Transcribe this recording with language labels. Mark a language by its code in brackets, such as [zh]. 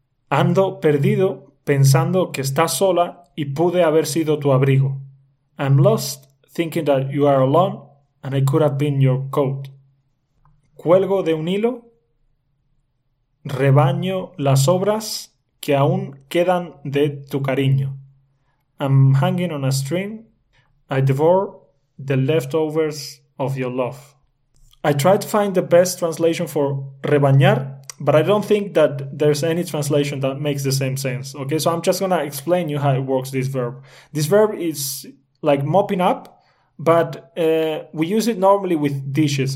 [es] Ando perdido pensando que estás sola y pude haber sido tu abrigo. [en] I'm lost thinking that you are alone and I could have been your coat. [es] Cuelgo de un hilo, rebaño las sobras que aún quedan de tu cariño. [en] I'm hanging on a string, I devour the leftovers of your love. I tried to find the best translation for rebañar, but I don't think that there's any translation that makes the same sense. Okay, so I'm just gonna explain you how it works, this verb. This verb is like mopping up, but we use it normally with dishes.